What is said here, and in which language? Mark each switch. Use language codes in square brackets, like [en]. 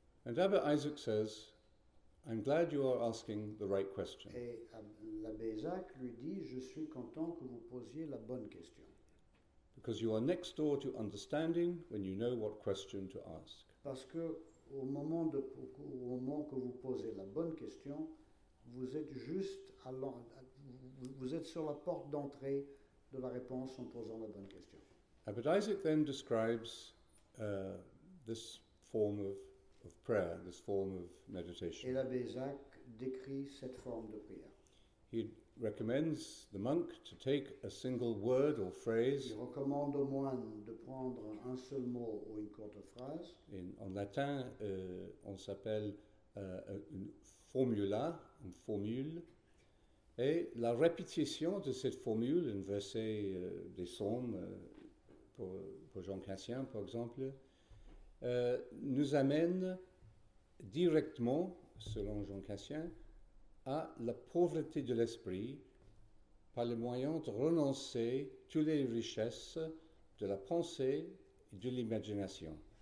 [en] And Abba Isaac says, I'm glad you are asking the right question. [fr] Et l'abbé Isaac lui dit, je suis content que vous posiez la bonne question. [en] Because you are next door to understanding when you know what question to ask. [fr] Parce que au moment que vous posez la bonne question, vous êtes sur la porte d'entrée de la réponse en posant la bonne question. [en] Abbot Isaac then describes this form of prayer, this form of meditation. [fr] Et l'abbé Isaac décrit cette forme de prière. [en] He recommends the monk to take a single word or phrase. [fr] Il recommande au moine de prendre un seul mot ou une courte phrase. En latin, on s'appelle une formula, une formule. Et la répétition de cette formule, un verset des psaumes, pour Jean Cassien, par exemple, nous amène directement, selon Jean Cassien, à la pauvreté de l'esprit par le moyen de renoncer toutes les richesses de la pensée et de l'imagination.